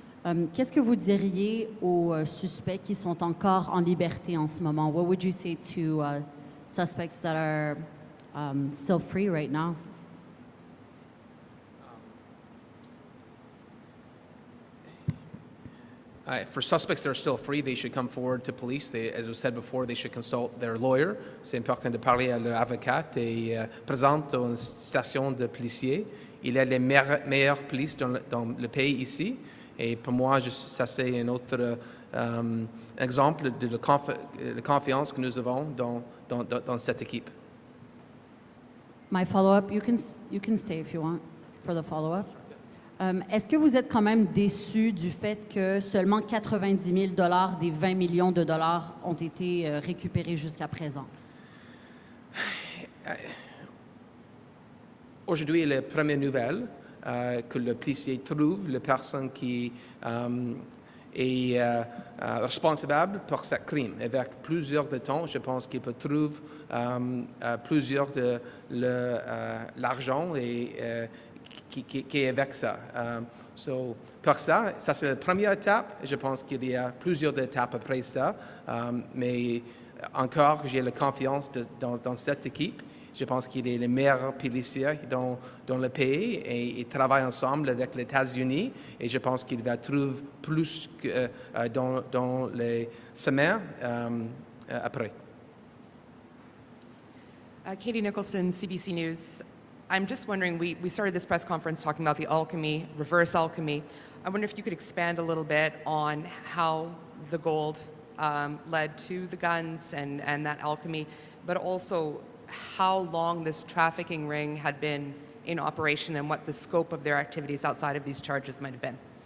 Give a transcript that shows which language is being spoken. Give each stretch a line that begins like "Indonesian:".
French: Qu'est-ce que vous diriez aux suspects qui sont encore en liberté en ce moment?
English: What would you say to suspects that are still free right now? For suspects that are still free, they should come forward to police. They, as was said before, they should consult their lawyer.
French: C'est important de parler à leur avocat. Et présente à une station de policiers. Il est les meilleures polices dans le pays ici. Et pour moi, ça c'est un autre exemple de la confiance que nous avons dans cette équipe.
English: My follow-up. You can stay if you want for the follow-up.
French: Est-ce que vous êtes quand même déçu du fait que seulement 90 000 $ des 20 millions de dollars ont été récupérés jusqu'à présent? Aujourd'hui, la première nouvelle que le policier trouve la personne qui est responsable pour ce crime. Avec plusieurs de temps, je pense qu'il peut trouver plusieurs de l'argent et qui est avec ça. Pour ça, ça c'est la première étape. Je pense qu'il y a plusieurs étapes après ça. Mais encore, j'ai la confiance dans cette équipe. Je pense qu'il est le meilleur policier dans le pays et il travaille ensemble avec les États-Unis. Et je pense qu'il va trouver plus que, dans les semaines après.
English: Katie Nicholson, CBC News. I'm just wondering, we started this press conference talking about the alchemy, reverse alchemy. I wonder if you could expand a little bit on how the gold led to the guns and that alchemy, but also how long this trafficking ring had been in operation and what the scope of their activities outside of these charges might have been.